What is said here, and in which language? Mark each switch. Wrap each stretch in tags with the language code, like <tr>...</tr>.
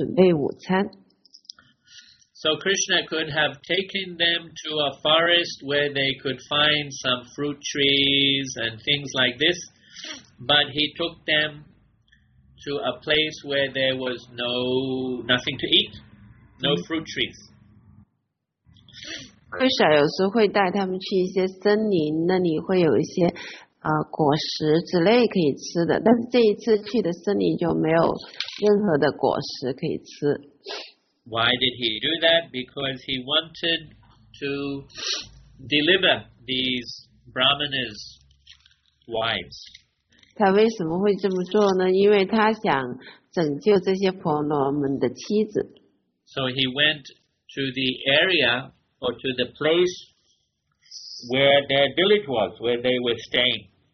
<zh>不知什么原因，他们这一次没有带他们的午餐。他们通常都会带午餐的，也许是因为这一天他们离开的比较早，他们的母亲没有为他们准备午餐。</zh> <en>So Krishna could have taken them to a forest where they could find some fruit trees and things like this, but he took them to a place where there was nothing to eat, no fruit trees.</en> <zh>Krishna 有时会带他们去一些森林，那里会有一些果实之类可以吃的。但是这一次去的森林就没有任何的果实可以吃。</zh> <en>Why did he do that? Because he wanted to deliver these brahmanas' wives.</en> <zh>他为什么会这么做呢？因为他想拯救这些婆罗门的妻子。</zh> <en>So he went to the area, or to the place where their village was, where they were staying.</en>